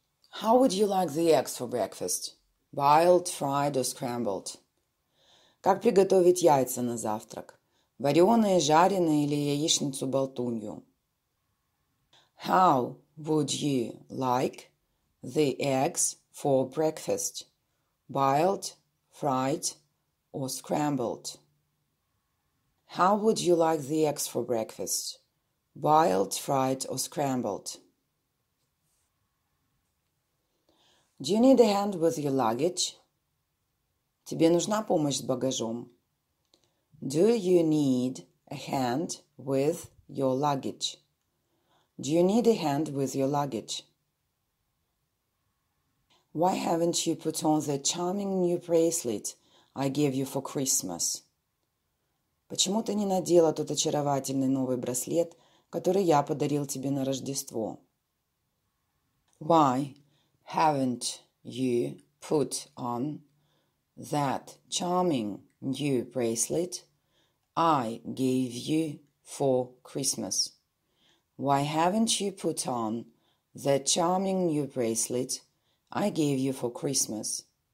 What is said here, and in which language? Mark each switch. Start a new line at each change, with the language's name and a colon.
English: How would you like the eggs for breakfast? Boiled, fried or scrambled?
Russian: Как приготовить яйца на завтрак? Вареные, жареные или яичницу болтунью?
English: How would you like the eggs for breakfast? Boiled, fried or scrambled? How would you like the eggs for breakfast? Boiled, fried or scrambled? Do you need a hand with your luggage?
Russian: Тебе нужна помощь с багажом?
English: Do you need a hand with your luggage? Do you need a hand with your luggage? Why haven't you put on the charming new bracelet I gave you for Christmas?
Russian: Почему ты не надела тот очаровательный новый браслет, который я подарил тебе на Рождество?
English: Why haven't you put on that charming new bracelet I gave you for Christmas? Why haven't you put on the charming new bracelet I gave you for Christmas?